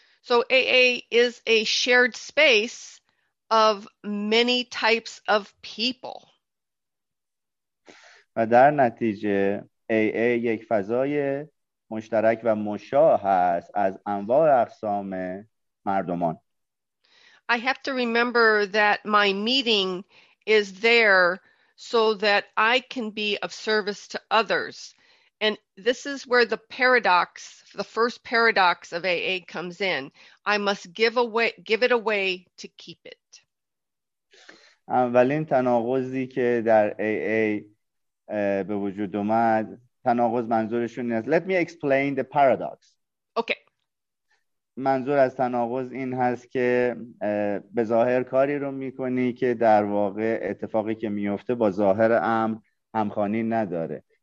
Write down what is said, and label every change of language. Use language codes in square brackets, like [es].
[en] So AA is a shared space of many types of people. [fa] و در نتیجه AA یک فضای مشترک و مشاع هست از انواع اقسام مردمان. [en] I have to remember that my meeting is there so that I can be of service to others. And this is where the paradox, the first paradox of AA comes in. I must give it away to keep it. [fa] اولین تناقضی که در AA به وجود اومد، تناقض منظورشون این است. [en] Let me explain the paradox. Okay. [fa] منظور از تناقض این هست که به ظاهر کاری رو میکنی که در واقع اتفاقی که میفته با ظاهر امر همخوانی نداره.